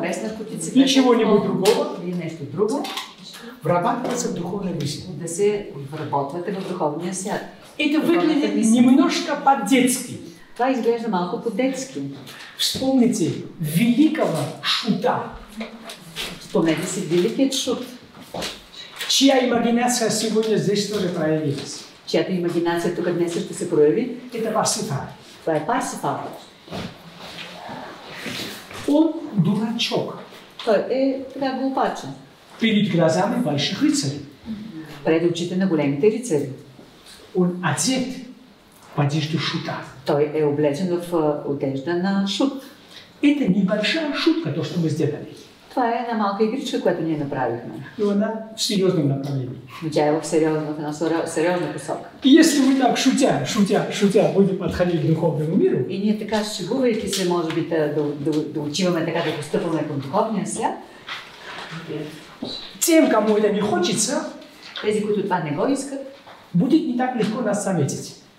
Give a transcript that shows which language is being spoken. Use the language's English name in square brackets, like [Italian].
[Bulgarian] без наркотици, [Russian] ничего-нибудь другого [Bulgarian] или нещо друго, [Russian] врабатывается в духовной мысли. [Bulgarian] Да се вработвате в духовния свят. [Russian] Это выглядит немножко по-детски. [Bulgarian] Това изглежда малко по-детски. [Russian] Вспомните великого шута. [Bulgarian] Вспомните си великият шут. [Russian] Чия имагинация сегодня здесь тоже проявилась. [Bulgarian] Чиято имагинация тук днес ще се прояви. [Russian] Это Васита. [Bulgarian] Това е Парсифал. [Russian] Он дурачок. [Bulgarian] Той е така глупачен. [Russian] Перед глазами ваших рицари. [Bulgarian] Пред очите на големите рицари. [Russian] Он одет в одежду шута. [Bulgarian] Той е облечен в одежда на шут. [Russian] Это небольшая шутка, то, что мы сделали. [Bulgarian] Това е една малка игричка, която ние направихме. [Russian] Но она в сериозном направлении. [Bulgarian] Но тя е в сериозна, в една сериозна посока. [Russian] И если мы так шутя, будем подходить к духовному миру... [Bulgarian] И ние така шегувайки се, може би, да учиваме така, да постъпваме към духовния свят. [Russian] Тем, кому это не хочется... [Bulgarian] Тези, които това не го искат... [Russian] Будет не так легко нас заметить.